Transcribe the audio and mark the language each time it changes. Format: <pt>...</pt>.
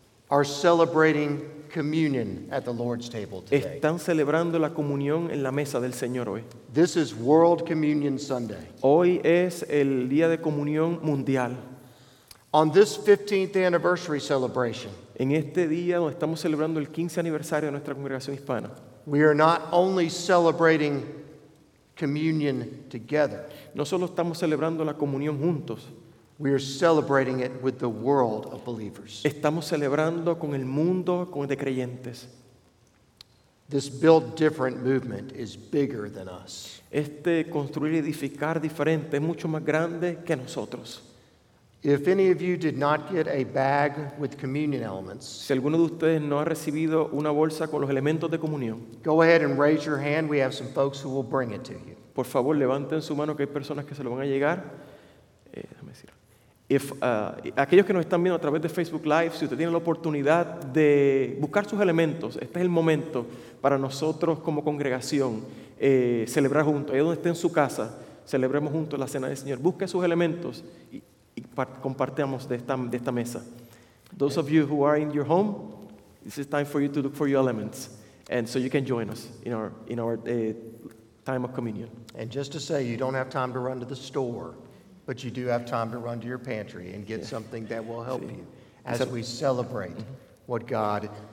<en>are celebrating communion at the Lord's table today.</en> <es>Están celebrando la comunión en la mesa del Señor hoy.</es> <en>This is World Communion Sunday.</en> <es>Hoy es el día de comunión mundial.</es> <en>On this 15th anniversary celebration,</en> <es>en este día donde estamos celebrando el 15 aniversario de nuestra congregación hispana,</es> <en>we are not only celebrating communion together,</en> <es>no solo estamos celebrando la comunión juntos,</es> <en>we are celebrating it with the world of believers.</en> <es>Estamos celebrando con el mundo con de creyentes.</es> <en>This build different movement is bigger than us.</en> <es>Este construir y edificar diferente es mucho más grande que nosotros.</es> <en>If any of you did not get a bag with communion elements,</en> <es>si alguno de ustedes no ha recibido una bolsa con los elementos de comunión,</es> <en>go ahead and raise your hand. We have some folks who will bring it to you.</en> <es>Por favor, levanten su mano que hay personas que se lo van a llegar. Déjame decir. Aquellos que nos están viendo a través de Facebook Live, si usted tiene la oportunidad de buscar sus elementos, este es el momento para nosotros como congregación celebrar juntos. Ahí donde esté en su casa, celebremos juntos la cena del Señor. Busque sus elementos y compartamos de esta mesa.</es> <en>Those of you who are in your home, this is time for you to look for your elements, and so you can join us in our time of communion. And just to say, you don't have time to run to the store, but you do have time to run to your pantry and get something that will help you as we celebrate what God</en>